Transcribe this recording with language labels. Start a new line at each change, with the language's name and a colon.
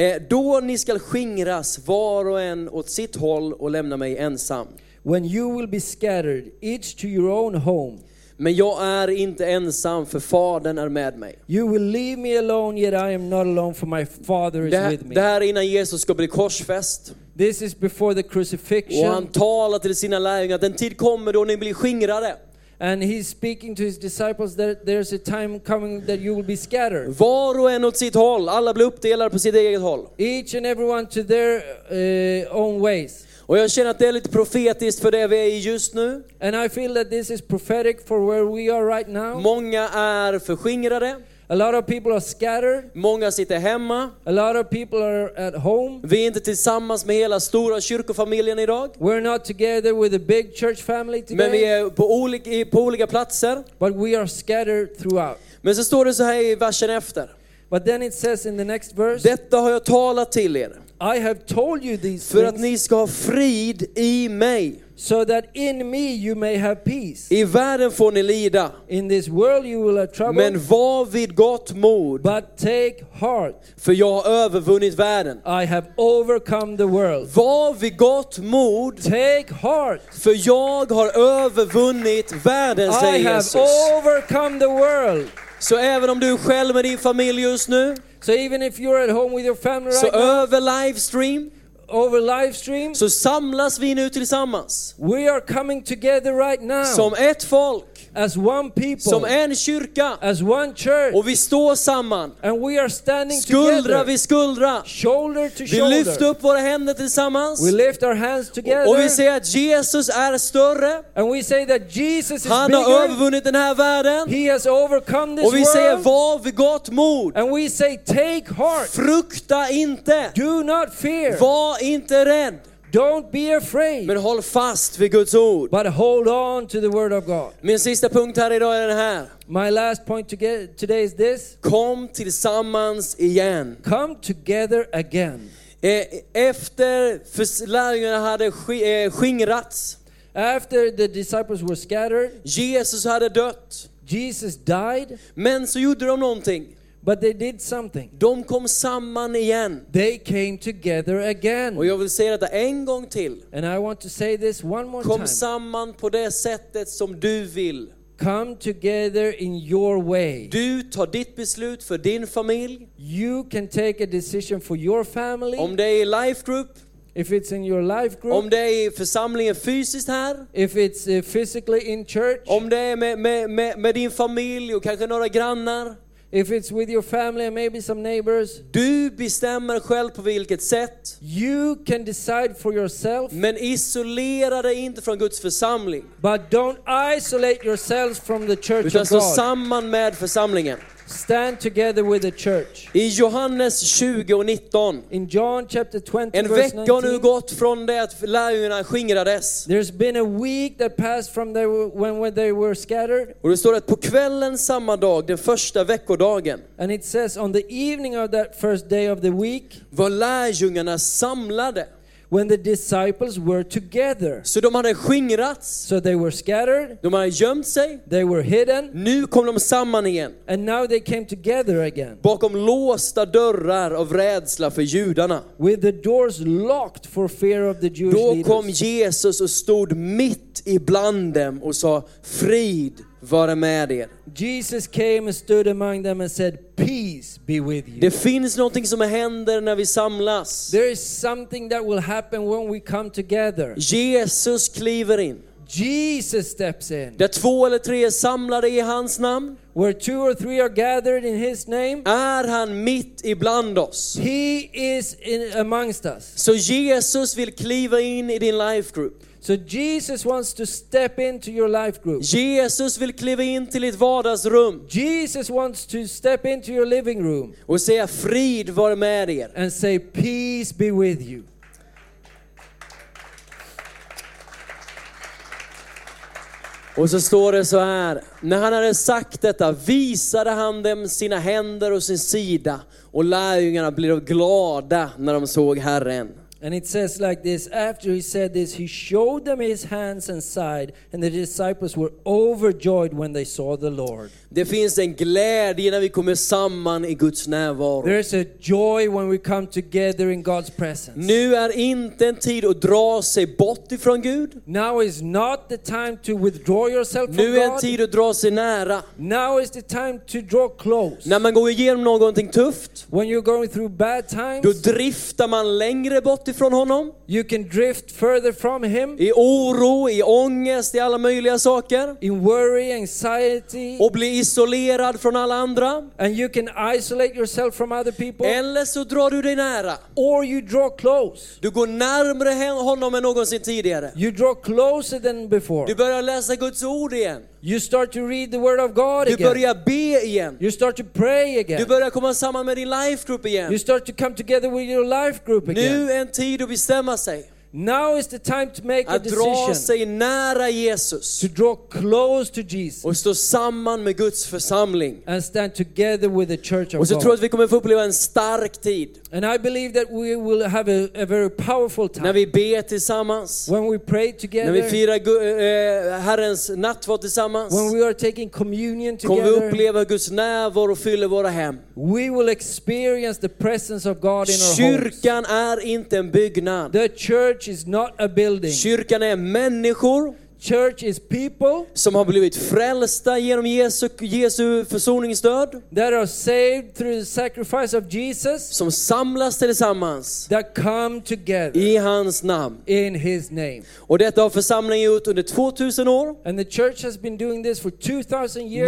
Swedish: Då ni ska skingras var och en åt sitt håll och lämna mig ensam.
English: When you will be scattered, each to your own home.
Swedish: Men jag är inte ensam för fadern är med mig.
English: You will leave me alone, yet I am not alone for my father is with me.
Swedish: Det här är innan Jesus ska bli korsfäst.
English: This is before the crucifixion.
Swedish: Och han talar till sina lärjungar, den tid kommer då ni blir skingrade.
English: And he's speaking to his disciples that there's a time coming that you will be scattered.
Swedish: Var och en åt sitt håll. Alla blir uppdelade på sitt eget håll.
English: Each and everyone to their own ways.
Swedish: Och jag känner att det är lite profetiskt för det vi är i just nu.
English: And I feel that this is prophetic for where we are right now.
Swedish: Många är förskingrade.
English: A lot of people are scattered.
Swedish: Många sitter hemma.
English: A lot of people are at home.
Swedish: Vi är inte tillsammans med hela stora kyrkofamiljen idag.
English: We're not together with a big church family today.
Swedish: Men vi är på olika platser.
English: But we are scattered throughout.
Swedish: Men så står det så här i versen efter.
English: But then it says in the next verse.
Swedish: Detta har jag talat till er.
English: I have told you these
Swedish: för att ni ska ha frid i mig.
English: So that in me you may have peace.
Swedish: I världen får ni lida.
English: In this world you will have trouble.
Swedish: Men var vid gott mod.
English: But take heart.
Swedish: För jag har övervunnit världen.
English: I have overcome the world.
Swedish: Var vid gott mod.
English: Take heart.
Swedish: För jag har övervunnit världen, säger Jesus.
English: I have overcome the world.
Swedish: Så även om du är själv med din familj just nu.
English: So even if you're at home with your family right now. Over live stream.
Swedish: Så samlas vi nu tillsammans.
English: We are coming together right now.
Swedish: Som ett folk.
English: As one people.
Swedish: Som en kyrka.
English: As one church.
Swedish: Och vi står samman.
English: And we are standing
Swedish: skuldra
English: together.
Swedish: Skuldra vid skuldra.
English: Shoulder to
Swedish: vi
English: shoulder.
Swedish: Vi lyfter upp våra händer tillsammans.
English: We lift our hands together.
Swedish: Och vi säger att Jesus är större.
English: And we say that Jesus is
Swedish: Han
English: bigger.
Swedish: Han har övervunnit den här världen.
English: He has overcome this world.
Swedish: Och vi säger var vid gott mod.
English: And we say take heart.
Swedish: Frukta inte.
English: Do not fear.
Swedish: Var inte rädd.
English: Don't be afraid.
Swedish: Men håll fast vid Guds ord.
English: But hold on to the word of God.
Swedish: Min sista punkt här idag är den här.
English: My last point to get today is this.
Swedish: Kom tillsammans igen.
English: Come together again.
Swedish: Efter lärjungarna hade skingrats.
English: After the disciples were scattered.
Swedish: Jesus hade dött.
English: Jesus died.
Swedish: Men så gjorde de någonting.
English: But they did something.
Swedish: De kom samman igen.
English: They came together again.
Swedish: Och jag vill säga detta en gång till.
English: And I want to say this one more
Swedish: kom
English: time.
Swedish: Kom samman på det sättet som du vill.
English: Come together in your way.
Swedish: Du tar ditt beslut för din familj.
English: You can take a decision for your family.
Swedish: Om det är life group.
English: If it's in your life group.
Swedish: Om det är församlingen fysiskt här.
English: If it's physically in church.
Swedish: Om det är med din familj och kanske några grannar.
English: If it's with your family and maybe some neighbors.
Swedish: Du bestämmer själv på vilket sätt.
English: You can decide for yourself.
Swedish: Men isolera dig inte från Guds församling.
English: But don't isolate yourselves from the church
Swedish: utan
English: of God.
Swedish: Utan samman med församlingen.
English: Stand together with the church.
Swedish: I Johannes 20:19.
English: In John chapter 20.
Swedish: En vecka nu gått från det att lärjungarna skingrades.
English: There's been a week that passed from there when they were scattered.
Swedish: Och det står att på kvällen samma dag, den första veckodagen.
English: And it says on the evening of that first day of the week.
Swedish: Var lärjungarna samlade.
English: When the disciples were together.
Swedish: Så de hade skingrats.
English: So they were scattered.
Swedish: De hade gömt sig.
English: They were hidden.
Swedish: Nu kom de samman igen.
English: And now they came together again.
Swedish: Bakom låsta dörrar av rädsla för judarna.
English: With the doors locked for fear of the Jewish leaders.
Swedish: Då kom Jesus och stod mitt ibland dem och sa frid vare med er.
English: Jesus came and stood among them and said, "Peace be with you."
Swedish: Det finns någonting som händer när vi samlas.
English: There is something that will happen when we come together.
Swedish: Jesus kliver in.
English: Jesus steps in.
Swedish: Där två eller tre är samlade i hans namn.
English: Where two or three are gathered in his name.
Swedish: Är han mitt ibland oss.
English: He is in amongst us.
Swedish: Så Jesus vill kliva in i din life group.
English: So Jesus wants to step into your life group.
Swedish: Jesus vill kliva in till ditt vardagsrum.
English: Jesus wants to step into your living room.
Swedish: Och säga frid vare med er.
English: And say peace be with you.
Swedish: Och så står det så här. När han hade sagt detta visade han dem sina händer och sin sida. Och lärjungarna blev glada när de såg Herren.
English: And it says like this, after he said this, he showed them his hands and side, and the disciples were overjoyed when they saw the Lord.
Swedish: Det finns en glädje när vi kommer samman i Guds närvaro.
English: There is a joy when we come together in God's presence.
Swedish: Nu är inte en tid att dra sig bort ifrån Gud.
English: Now is not the time to withdraw yourself from God.
Swedish: Nu är en tid att dra sig nära.
English: Now is the time to draw close.
Swedish: När man går igenom någonting tufft.
English: When you're going through bad times.
Swedish: Då driftar man längre bort ifrån honom.
English: You can drift further from him.
Swedish: I oro, i ångest, i alla möjliga saker.
English: In worry, anxiety.
Swedish: Isolerad från alla andra.
English: And you can isolate yourself from other people.
Swedish: Eller så drar du dig nära.
English: Or you draw close.
Swedish: Du går närmare honom än någonsin tidigare.
English: You draw closer than before.
Swedish: Du börjar läsa Guds ord igen.
English: You start to read the word of God
Swedish: du
English: again.
Swedish: Du börjar be igen.
English: You start to pray again.
Swedish: Du börjar komma samman med din life group igen.
English: You start to come together with your life group again.
Swedish: Nu är en tid att bestämma sig.
English: Now is the time to make
Swedish: att
English: a decision.
Swedish: Att dra sig nära Jesus.
English: To draw close to Jesus.
Swedish: Och stå samman med Guds församling.
English: And stand together with the church of
Swedish: God. Och så tror jag att vi kommer få uppleva en stark tid.
English: And I believe that we will have a very powerful time.
Swedish: När vi ber tillsammans.
English: When we pray together.
Swedish: När vi firar Herrens nattvard tillsammans.
English: When we are taking communion together.
Swedish: Kommer vi uppleva Guds närvaro och fylla våra hem.
English: We will experience the presence of God in
Swedish: kyrkan
English: our homes.
Swedish: Kyrkan är inte en byggnad.
English: The church is not a building.
Swedish: Kyrkan är människor.
English: church is people
Swedish: som har blivit frälsta genom Jesu försonings död,
English: that are saved through the sacrifice of Jesus,
Swedish: som samlas tillsammans,
English: that come together
Swedish: i hans namn,
English: in his name.
Swedish: Och detta har församlingen gjort under 2000 år,
English: and the church has been doing this for 2000 years.